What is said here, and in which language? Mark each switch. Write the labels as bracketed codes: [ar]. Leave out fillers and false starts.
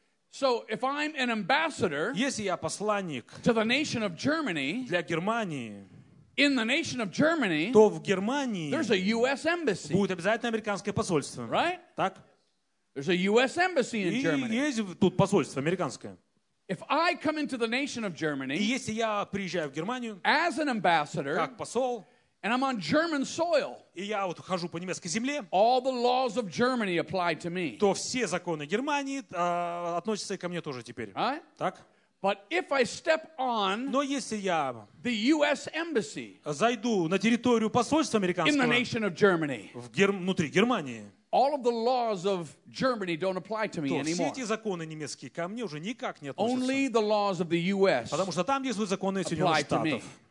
[en] So if I'm an ambassador, [ru] если я посланник [en] to the nation of Germany, [ru] для Германии, [en] in the nation of Germany, [ru] то в Германии [en] there's a U.S. embassy. [ru] Будет обязательно американское посольство. [en] Right? [ru] Так? [en] There's a U.S. embassy in Germany. [ru] И есть тут посольство американское. [en] If I come into the nation of Germany, [ru] и если я приезжаю в Германию, [en] as an ambassador, [ru] как посол, [en] and I'm on German soil, [ru] и я вот хожу по немецкой земле, [en] all the laws of Germany apply to me. [ru] То все законы Германии относятся и ко мне тоже теперь. [en] Right? [ru] Так? [en] But if I step on, [ru] но если я [en] the U.S. embassy, [ru] зайду на территорию посольства американского, [en] in the nation of Germany, [ru] внутри Германии. [en] All of the laws of Germany don't apply to me anymore. [ru] Все эти законы немецкие ко мне уже никак не относятся. [en] Only the laws of the U.S. [ru] Потому что там действуют законы Соединенных Штатов.